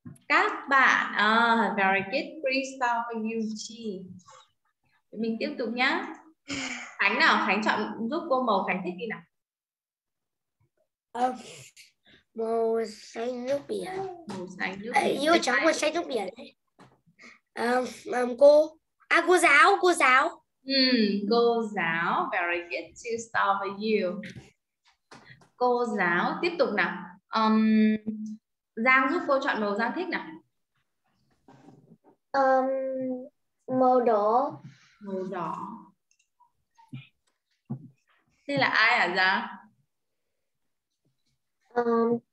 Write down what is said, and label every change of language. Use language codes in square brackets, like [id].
[vi] Các bạn. [en] Very good. Three star for you, [vi] Chi. Chúng mình tiếp tục nhá. Khánh nào, Khánh chọn giúp cô màu Khánh thích đi nào. Màu xanh nước biển. Màu xanh nước biển. Yêu trắng màu xanh nước biển. Cô giáo. Cô giáo, [en] very good, two star for you. [vi] Cô giáo, tiếp tục nào. Giang giúp cô chọn màu Giang thích nào. Màu đỏ. Màu đỏ. Đây là ai hả Giang?